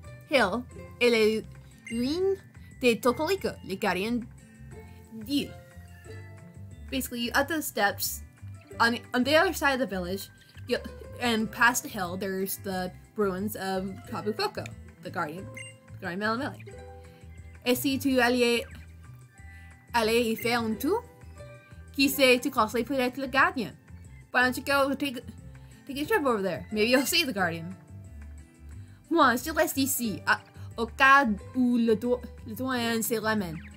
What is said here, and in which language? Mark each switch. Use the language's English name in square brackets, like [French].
[French] Hill et les ruines de Tokoliko, les gardiens d'île. [English] Basically, you up the steps on the other side of the village, and past the hill, there's the ruins of Kabu Foko, the guardian Melamele. [French] Et si tu allais y faire un tour, qui sait, tu croiserais peut-être le gardien. [English] Why don't you go take a trip over there? Maybe you'll see the guardian. [French] Moi, je reste ici, au cas où le doyen se ramène.